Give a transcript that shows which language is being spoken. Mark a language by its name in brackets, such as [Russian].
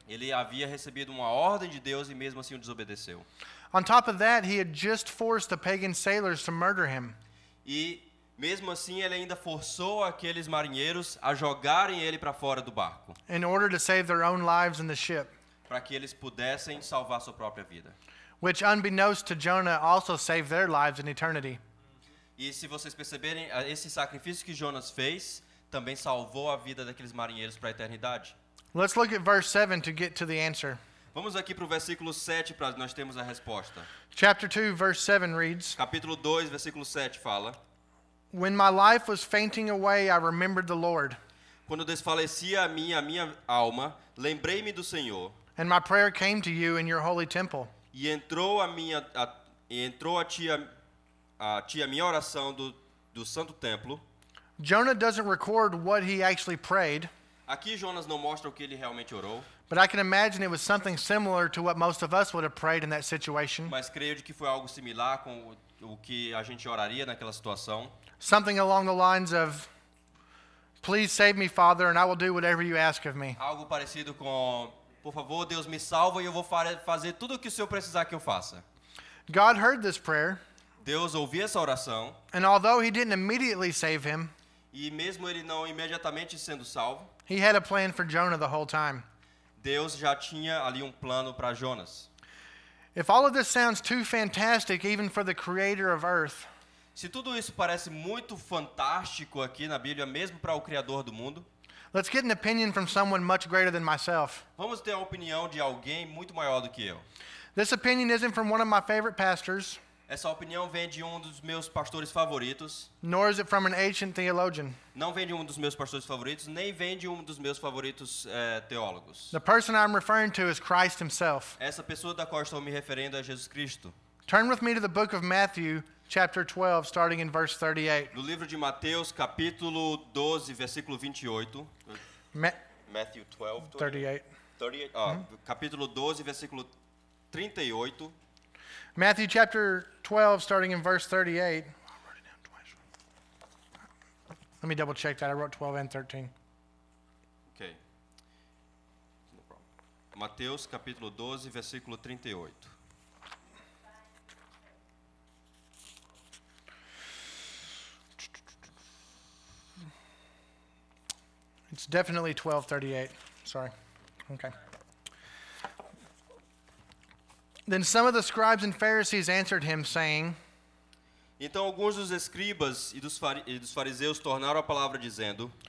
[Portuguese] Ele havia recebido uma ordem de Deus e mesmo assim o desobedeceu. [English] On top of that, he had just forced the pagan sailors to murder him. [Portuguese] E mesmo assim ele ainda forçou aqueles marinheiros a jogarem ele para fora do barco. [English] In order to save their own lives in the ship. [Portuguese] Para que eles pudessem salvar sua própria vida. [English] Which unbeknownst to Jonah also saved their lives in eternity. [Portuguese] E se vocês perceberem, esse sacrifício que Jonas fez também salvou a vida daqueles marinheiros para a eternidade. [English] Let's look at verse 7 to get to the answer. [Portuguese] Vamos aqui para o versículo 7 para nós termos a resposta. [English] Chapter 2, verse 7 reads. [Portuguese] Capítulo 2, versículo 7 fala. [English] When my life was fainting away, I remembered the Lord. [Portuguese] Quando desfalecia a minha alma, lembrei-me do Senhor. [English] And my prayer came to you in your holy temple. [Portuguese] E entrou a ti a minha oração do santo templo. [English] Jonah doesn't record what he actually prayed. [Portuguese] Aqui Jonas não mostra o que ele realmente orou. [English] But I can imagine it was something similar to what most of us would have prayed in that situation. [Portuguese] Mas creio de que foi algo similar com o que a gente oraria naquela situação. [English] Something along the lines of, "Please save me, Father, and I will do whatever you ask of me." [Portuguese] Algo parecido com, por favor, Deus me salva e eu vou fazer tudo o que o Senhor precisar que eu faça. [English] God heard this prayer. [Portuguese] Deus ouviu essa oração. [English] And although he didn't immediately save him, [Portuguese] e mesmo ele não imediatamente sendo salvo, [English] he had a plan for Jonah the whole time. [Portuguese] Deus já tinha ali plano para Jonas. [English] If all of this sounds too fantastic, even for the creator of earth, [Portuguese] se tudo isso parece muito fantástico aqui na Bíblia, mesmo para o criador do mundo, [English] let's get an opinion from someone much greater than myself. [Portuguese] Vamos ter a opinião de alguém muito maior do que eu. [English] This opinion isn't from one of my favorite pastors. [Portuguese] Essa opinião vem de dos meus pastores favoritos. [English] Nor is it from an ancient theologian. [Portuguese] Não vem de dos meus pastores favoritos, nem vem de dos meus favoritos teólogos. [English] The person I'm referring to is Christ himself. [Portuguese] Essa pessoa da qual estou me referindo é Jesus Cristo. [English] Turn with me to the book of Matthew, chapter 12, starting in verse 38. [Portuguese] No livro de Mateus, capítulo 12, versículo 28. [English] Matthew 12, 38. [Portuguese] capítulo 12, versículo 38. [English] Matthew chapter 12, starting in verse 38. Let me double check that. I wrote 12 and 13. Okay. No problem. [Portuguese] Mateus capítulo 12, versículo 38. [English] It's definitely 12:38. Sorry. Okay. Then some of the scribes and Pharisees answered him, saying, [Portuguese] Então alguns dos escribas e dos fariseus tornaram a palavra dizendo,